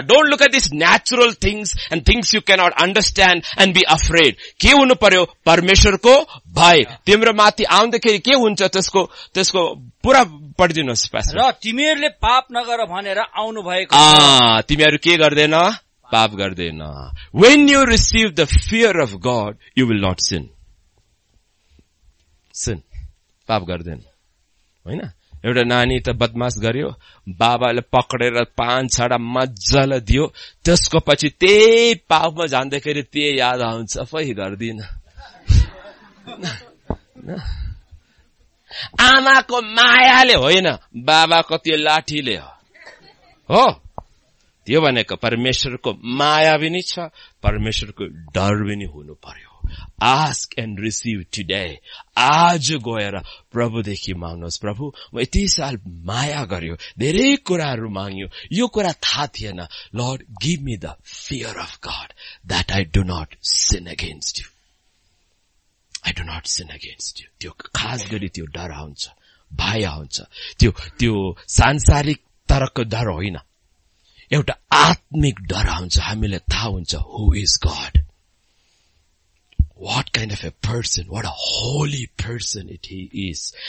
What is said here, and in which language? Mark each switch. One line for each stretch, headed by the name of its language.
English: Don't look at this natural things and things you can not understand and be afraid.
Nepali: के हुनु पर्यो, परमेश्वरको भय। तिम्रो माथि आउँदाखेरि के हुन्छ त्यसको त्यसको पुरा पढिदिनुहोस् पास्टर। तिमीहरूले पाप नगर भनेर आउनु भएको, तिमीहरू के गर्दैन, पाप गर्दैन।
English: when you receive the fear of God, you will not sin, sin
Nepali: पाप गर्दैन, होइन। एउटा नानी त बदमास गर्यो, बाबाले पक्रेर पाँच छडा मजाले दियो, त्यसको पछि त्यही पापमा जाँदाखेरि त्यही याद आउँछ, फै गर्दिन। आमाको मायाले होइन, बाबाको त्यो लाठीले हो त्यो भनेको। परमेश्वरको माया पनि छ, परमेश्वरको डर पनि हुनु पर्यो।
English: Ask and receive today.
Nepali: आज गएर प्रभुदेखि माग्नुहोस्, प्रभु म यति साल माया गर्यो, धेरै कुराहरू माग्यो, यो कुरा थाहा थिएन।
English: Lord, give me the fear of God that I do not sin against you. I do not sin against you.
Nepali: त्यो खास गरी त्यो डर आउँछ, भय आउँछ। त्यो त्यो सांसारिक तरको डर होइन, एउटा आत्मिक डर आउँछ। हामीलाई थाहा हुन्छ,
English: who is God? What kind of a person, what a holy person it he is.